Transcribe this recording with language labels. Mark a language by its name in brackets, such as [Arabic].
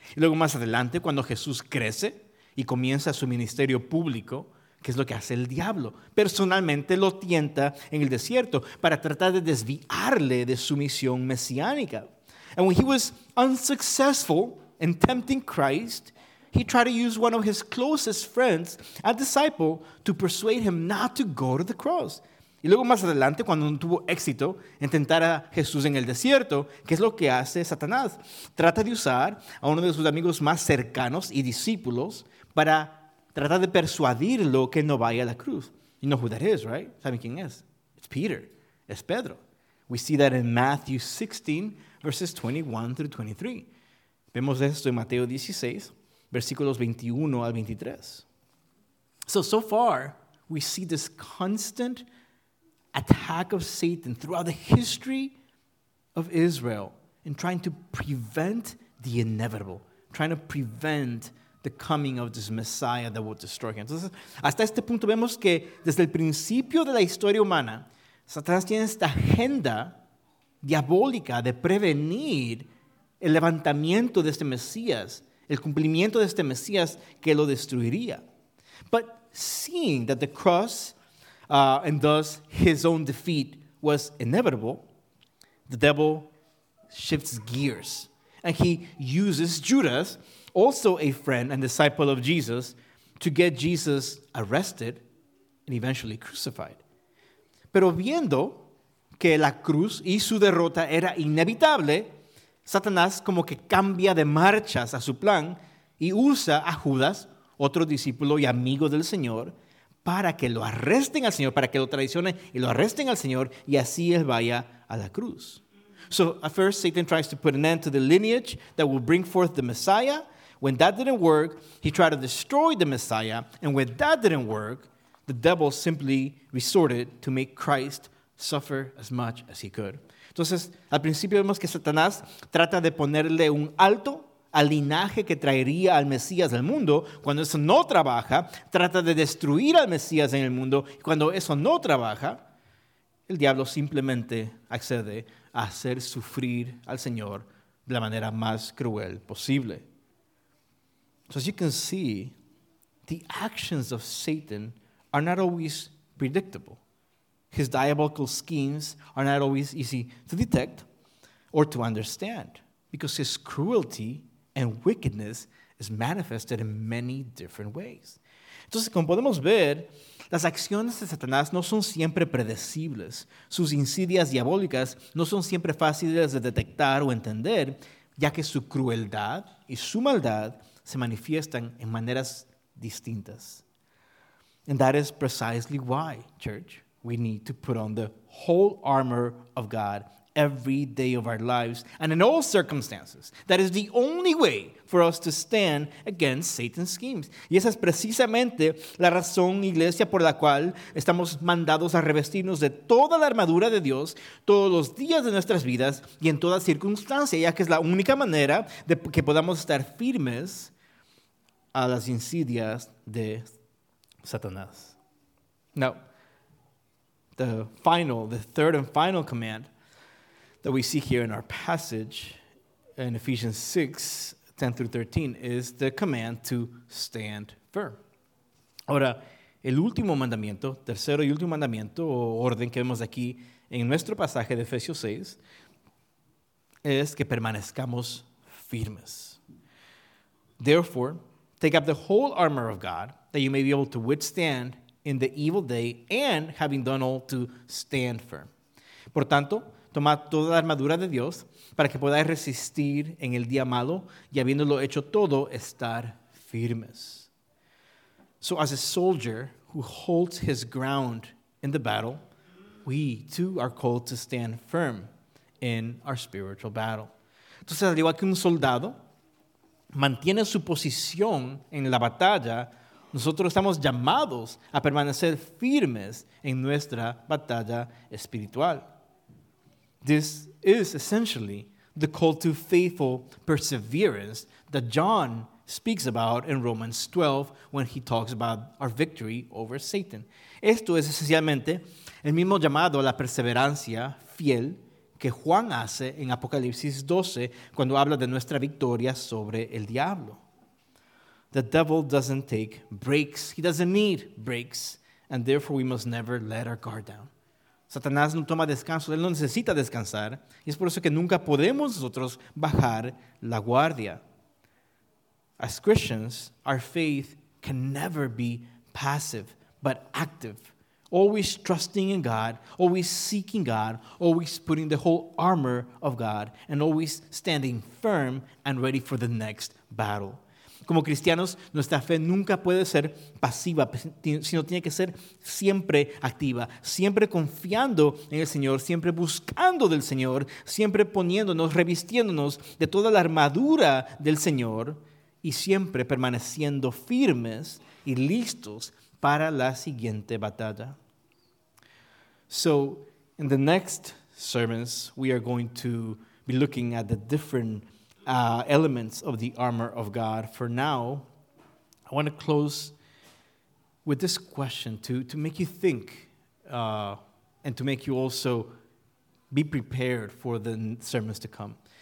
[Spanish] Y luego más adelante, cuando Jesús crece y comienza su ministerio público, ¿qué es lo que hace el diablo? Personalmente lo tienta en el desierto para tratar de desviarle de su misión mesiánica. [English] And when he was unsuccessful in tempting Christ, he tried to use one of his closest friends, a disciple, to persuade him not to go to the cross. [Spanish] Y luego más adelante, cuando no tuvo éxito en tentar a Jesús en el desierto, ¿qué es lo que hace Satanás? Trata de usar a uno de sus amigos más cercanos y discípulos para tratar de persuadirlo que no vaya a la cruz. [English] You know who that is, right? [Spanish] ¿Saben quién es? [English] It's Peter. [Spanish] Es Pedro. [English] We see that in Matthew 16, verses 21 through 23. [Spanish] Vemos esto en Mateo 16, versículos 21 al 23. [English] So far, we see this constant attack of Satan throughout the history of Israel in trying to prevent the inevitable, trying to prevent the coming of this Messiah that will destroy him. [Spanish] Entonces, hasta este punto vemos que desde el principio de la historia humana, Satanás tiene esta agenda diabólica de prevenir el levantamiento de este Mesías, el cumplimiento de este Mesías que lo destruiría. [English] But seeing that the cross and thus his own defeat was inevitable, the devil shifts gears and he uses Judas, also a friend and disciple of Jesus, to get Jesus arrested and eventually crucified. [Spanish] Pero viendo que la cruz y su derrota era inevitable, Satanás como que cambia de marchas a su plan y usa a Judas, otro discípulo y amigo del Señor, para que lo arresten al Señor, para que lo traicionen y lo arresten al Señor, y así él vaya a la cruz. [English] So, at first, Satan tries to put an end to the lineage that will bring forth the Messiah. When that didn't work, he tried to destroy the Messiah. And when that didn't work, the devil simply resorted to make Christ suffer as much as he could. [Spanish] Entonces, al principio vemos que Satanás trata de ponerle un alto al linaje que traería al Mesías al mundo. Cuando eso no trabaja, trata de destruir al Mesías en el mundo. Cuando eso no trabaja, el diablo simplemente accede a hacer sufrir al Señor de la manera más cruel posible. [English] So as you can see, the actions of Satan are not always predictable. His diabolical schemes are not always easy to detect or to understand, because his cruelty and wickedness is manifested in many different ways. [Spanish] Entonces, como podemos ver, las acciones de Satanás no son siempre predecibles. Sus insidias diabólicas no son siempre fáciles de detectar o entender, ya que su crueldad y su maldad se manifiestan en maneras distintas. [English] And that is precisely why, church, we need to put on the whole armor of God every day of our lives and in all circumstances. That is the only way for us to stand against Satan's schemes. [Spanish] Y esa es precisamente la razón, iglesia, por la cual estamos mandados a revestirnos de toda la armadura de Dios todos los días de nuestras vidas y en toda circunstancia, ya que es la única manera de que podamos estar firmes a las insidias de Satanás. [English] Now, the third and final command that we see here in our passage in Ephesians 6:10-13 is the command to stand firm. [Spanish] Ahora, el último mandamiento, tercero y último mandamiento o orden que vemos aquí en nuestro pasaje de Efesios 6 es que permanezcamos firmes. [English] Therefore, take up the whole armor of God that you may be able to withstand in the evil day and having done all to stand firm. [Spanish] Por tanto, toma toda la armadura de Dios para que podáis resistir en el día malo y habiéndolo hecho todo, estar firmes. [English] So as a soldier who holds his ground in the battle, we too are called to stand firm in our spiritual battle. [Spanish] Entonces, al igual que un soldado mantiene su posición en la batalla, nosotros estamos llamados a permanecer firmes en nuestra batalla espiritual. [English] This is essentially the call to faithful perseverance that John speaks about in Romans 12 when he talks about our victory over Satan. [Spanish] Esto es esencialmente el mismo llamado a la perseverancia fiel que Juan hace en Apocalipsis 12 cuando habla de nuestra victoria sobre el diablo. [English] The devil doesn't take breaks. He doesn't need breaks. And therefore, we must never let our guard down. [Spanish] Satanás no toma descanso. Él no necesita descansar. Y es por eso que nunca podemos nosotros bajar la guardia. [English] As Christians, our faith can never be passive, but active. Always trusting in God, always seeking God, always putting the whole armor of God, and always standing firm and ready for the next battle. [Spanish] Como cristianos, nuestra fe nunca puede ser pasiva, sino tiene que ser siempre activa, siempre confiando en el Señor, siempre buscando del Señor, siempre poniéndonos, revistiéndonos de toda la armadura del Señor y siempre permaneciendo firmes y listos para la siguiente batalla. [English] So, in the next sermons, we are going to be looking at the different elements of the armor of God. For now, I want to close with this question to make you think and to make you also be prepared for the sermons to come.